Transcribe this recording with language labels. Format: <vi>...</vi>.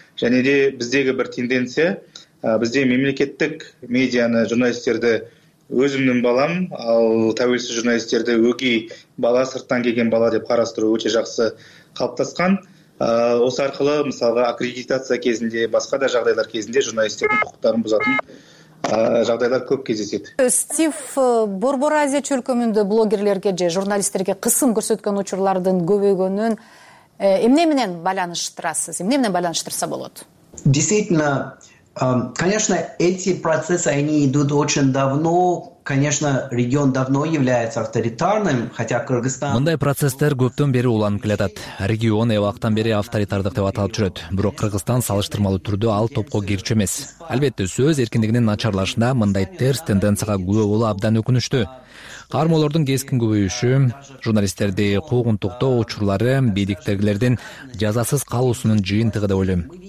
<kk>Және де біздегі бір тенденция, бізде мемлекеттік медианы, журналистерді өзімнің балам, ал тәуелсіз журналистерді өгей бала, сырттан келген бала деп қарастыру өте жақсы қалыптасқан. Осы арқылы мысалға аккредитация кезінде, басқа да жағдайлар кезінде журналистердің құқықтарын бұзатын жағдайлар көп кездеседі.</kk> <ky>Стив Борборазия чөлкөмүндө блогерлерге же журналистерге қысым көрсөткөн учурлардын көбөйгөнүн эмне менен байланыштырасыз? Эмне менен байланыштырса болот?</ky> <ru>Действительно, конечно, эти процессы, они идут очень давно. Конечно, регион давно является авторитарным, хотя Кыргызстан...</ru> <ky>Мындай процесстер көптөн бери уланып келатат. Регион эбактан бери авторитардык деп аталып жүрөт. Бирок Кыргызстан салыштырмалуу түрдө ал топко кирчү эмес. Албетте, сөз эркиндигинин начарлашында мындай терс тенденцияга күбө болу абдан өкүнүчтүү. Кармоолордун кескин көбөйүшү, журналисттерди куугунтуктоо учурлары бийликтегилердин жазасыз калуусунун жыйынтыгы деп ойлойм.</ky>